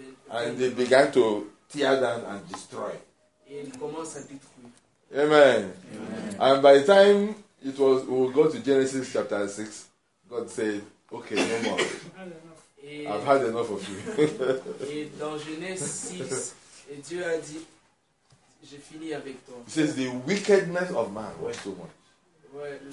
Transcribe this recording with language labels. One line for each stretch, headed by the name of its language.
English: and they began to tear down and destroy.
French: Et ils commencent à détruire. Amen. Amen.
English: And by the time it was, we'll go to Genesis chapter 6, God said, okay, no more. I've had enough of you.
French: Et dans Genèse 6, Dieu a dit, j'ai fini avec toi.
English: He says, the wickedness of man was too much.